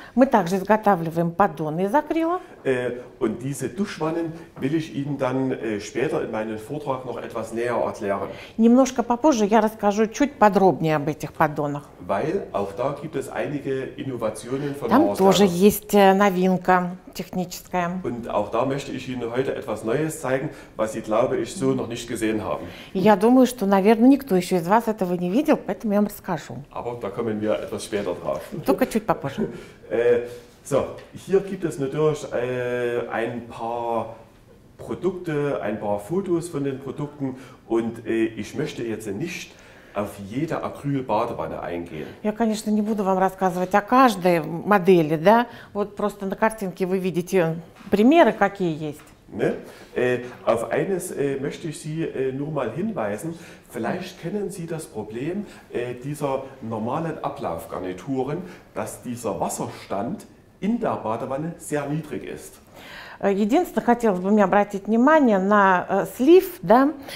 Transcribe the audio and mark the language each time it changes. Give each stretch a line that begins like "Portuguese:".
Russian: Мы также изготавливаем поддоны из акрила.
German: Und diese Duschwannen will ich Ihnen dann später in meinem Vortrag noch etwas näher erklären.
Russian: Немножко попозже я расскажу чуть подробнее об этих поддонах.
German: Weil auch da gibt es einige Innovationen von
Russian: Там тоже есть новинка техническая.
German: Und auch da möchte ich Ihnen heute etwas Neues zeigen, was Sie, glaube ich, so noch nicht gesehen haben.
Russian: Я думаю, что, наверное, никто еще из вас этого не видел, поэтому я вам расскажу.
German: Aber da kommen wir etwas später drauf.
Russian: Только чуть попозже.
German: So, hier gibt es natürlich ein paar Produkte, ein paar Fotos von den Produkten und ich möchte jetzt nicht auf jede Acryl-Badewanne eingehen.
Russian: Я, конечно, не буду вам рассказывать о каждой модели, да? Вот просто на картинке вы видите примеры, какие есть.
German: Ne? Auf eines möchte ich Sie nur mal hinweisen. Vielleicht kennen Sie das Problem dieser normalen Ablaufgarnituren, dass dieser Wasserstand in der Badewanne sehr niedrig ist.
Russian: Единственное, хотелось бы мне обратить внимание на слив, да?